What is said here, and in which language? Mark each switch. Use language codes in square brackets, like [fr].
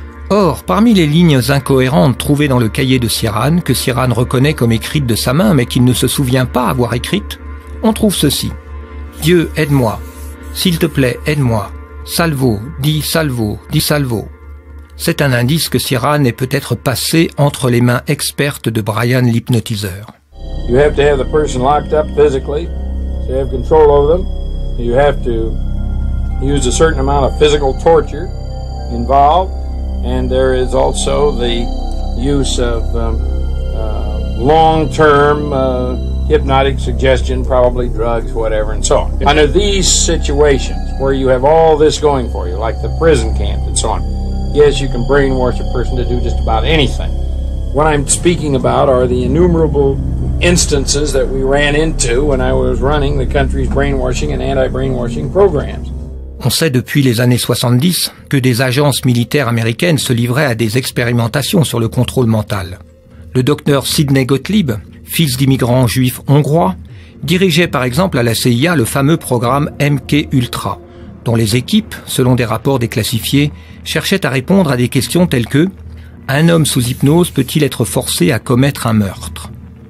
[fr] Or, parmi les lignes incohérentes trouvées dans le cahier de Ciaran, que Ciaran reconnaît comme écrites de sa main mais qu'il ne se souvient pas avoir écrites, on trouve ceci. « Dieu, aide-moi. S'il te plaît, aide-moi. Salvo, dis salvo, dis salvo. » C'est un indice que Ciaran est peut-être passé entre les mains expertes de Brian l'hypnotiseur. [en] You have to have the person locked up physically, so you have control over them. You have to use a certain amount of physical torture involved, and there is also the use of long-term hypnotic suggestion, probably drugs, whatever, and so on. Under these situations where you have all this going for you, like the prison camp and so on, yes, you can brainwash a person to do just about anything. What I'm speaking about are the innumerable instances that we ran into when I was running the country's brainwashing and anti-brainwashing programs. [fr] On sait depuis les années 70 que des agences militaires américaines se livraient à des expérimentations sur le contrôle mental. Le docteur Sidney Gottlieb, fils d'immigrants juifs hongrois, dirigeait par exemple à la CIA le fameux programme MK-Ultra, dont les équipes, selon des rapports déclassifiés, cherchaient à répondre à des questions telles que « Un homme sous hypnose peut-il être forcé à commettre un meurtre ?»